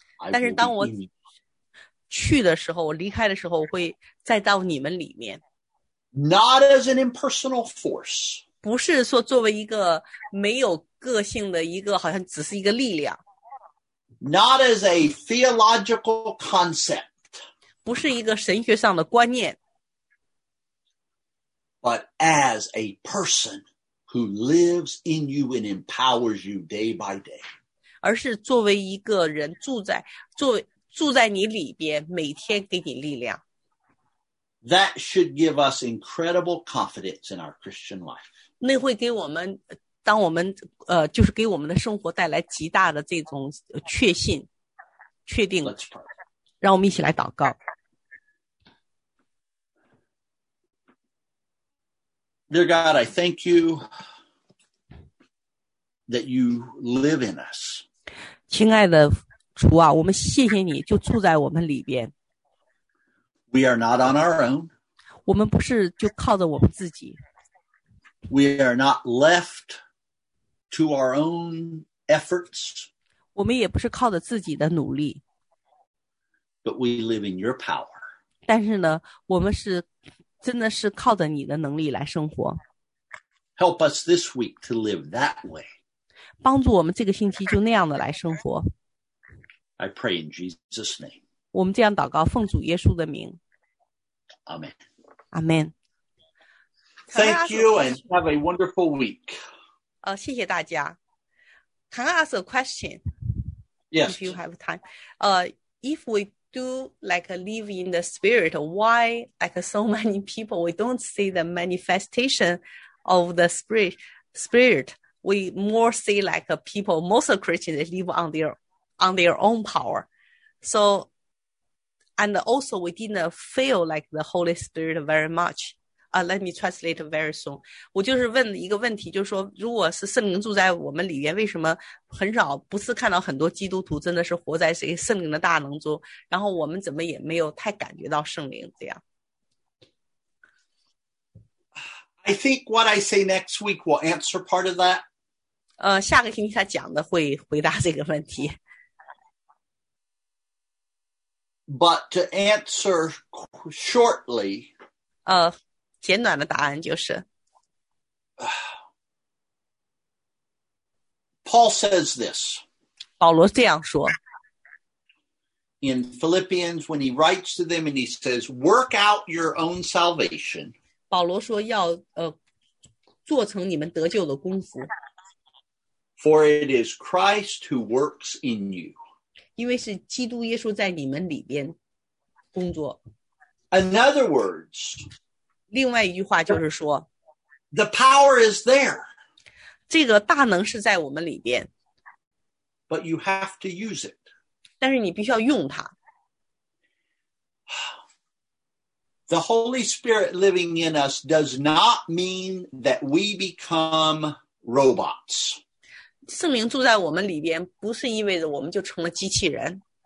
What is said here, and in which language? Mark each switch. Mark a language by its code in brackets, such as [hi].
[zh] 但是当我去的时候，我离开的时候，我会再到你们里面。 [en] Not as an impersonal force. [zh] 不是说作为一个没有个性的一个好像只是一个力量。 [en] Not as a theological concept. [zh] 不是一个神学上的观念。 [en] But as a person who lives in you and empowers you day by day. [zh] 而是作为一个人住在你里边，每天给你力量。 [en] That should give us incredible confidence in our Christian life. [zh] 那会给我们，当我们，就是给我们的生活带来极大的这种确信，确定。 [en] Let's pray. [zh] 让我们一起来祷告。 [en] Dear God, I thank you that you live in us. [zh] 亲爱的主啊，我们谢谢你就住在我们里边。 [en] We are not on our own. [zh] 我们不是就靠着我们自己。 [en] We are not left to our own efforts. [zh] 我们也不是靠着自己的努力。 [en] But we live in your power. [zh] 但是呢，我们是真的是靠着你的能力来生活。 [en] Help us this week to live that way. [zh] 帮助我们这个星期就那样的来生活。 [en] I pray in Jesus' name. [zh] 我们这样祷告，奉主耶稣的名。 [en] Amen. Amen. Thank you and have a wonderful week. [zh] 谢谢大家。 [en] Can I ask a question? Yes. If you have time. If we do like live in the spirit, why like so many people, we don't see the manifestation of the spirit. We more see like people, most of Christians live on their own power. So,And also, we didn't feel like the Holy Spirit very much. Let me translate very soon. [zh] 我就是问一个问题，就是说，如果是圣灵住在我们里面，为什么很少，不是看到很多基督徒真的是活在谁圣灵的大能中，然后我们怎么也没有太感觉到圣灵这样。 [en] I think what I say next week will answer part of that. [zh] 下个星期他讲的会回答这个问题。 [en] But to answer shortly, [zh] 简短的答案就是 [en] Paul says this. [zh] 保罗这样说 [en] In Philippians, when he writes to them and he says, work out your own salvation. [zh] 保罗说要做成你们得救的功夫。 [en] For it is Christ who works in you. [zh] 因为是基督耶稣在你们里边工作。 [en] In other words, [zh] 另外一句话就是说 [en] the power is there. [zh] 这个大能是在我们里边。 [en] But you have to use it. [zh] 但是你必须要用它。 [en] The Holy Spirit living in us does not mean that we become robots. [zh] 圣灵住在我们里边不是意味着我们就成了机器人。